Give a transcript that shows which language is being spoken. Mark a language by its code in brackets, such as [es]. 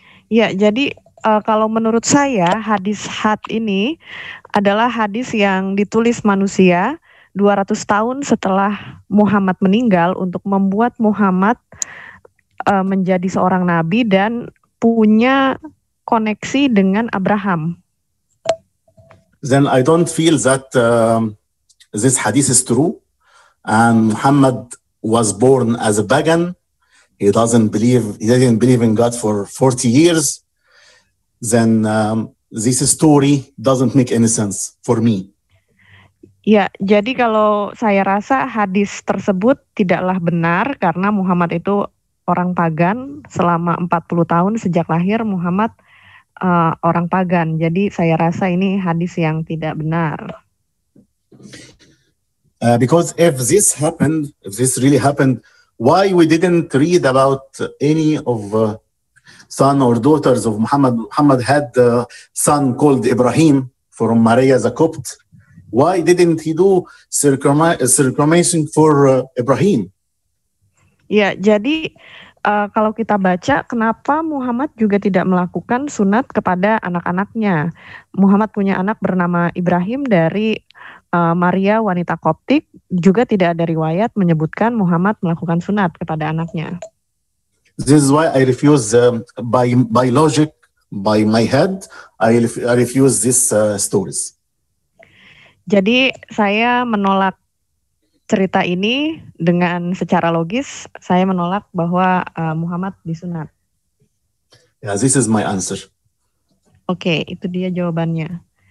[id] Ya, jadi kalau menurut saya hadis had ini adalah hadis yang ditulis manusia 200 tahun setelah Muhammad meninggal untuk membuat Muhammad menjadi seorang nabi dan punya koneksi dengan Abraham. [en] Then I don't feel that this hadith is true. And Muhammad was born as a pagan. He didn't believe in God for 40 years. Then this story doesn't make any sense for me. [id] Ya, jadi kalau saya rasa hadis tersebut tidaklah benar karena Muhammad itu orang pagan selama 40 tahun sejak lahir Muhammad orang pagan. Jadi saya rasa ini hadis yang tidak benar. [en] Because if this really happened, why we didn't read about any of son or daughters of Muhammad? Muhammad had a son called Ibrahim from Maria the Copt. Why didn't he do circumcision for Ibrahim? [id] Ya, jadi kalau kita baca, kenapa Muhammad juga tidak melakukan sunat kepada anak-anaknya? Muhammad punya anak bernama Ibrahim dari Maria wanita Koptik, juga tidak ada riwayat menyebutkan Muhammad melakukan sunat kepada anaknya. [en] This is why I refuse by logic, by my head, I refuse this stories. [id] Jadi saya menolak cerita ini dengan secara logis, saya menolak bahwa Muhammad disunat. [en] Yeah, this is my answer. [id] Oke, okay, itu dia jawabannya.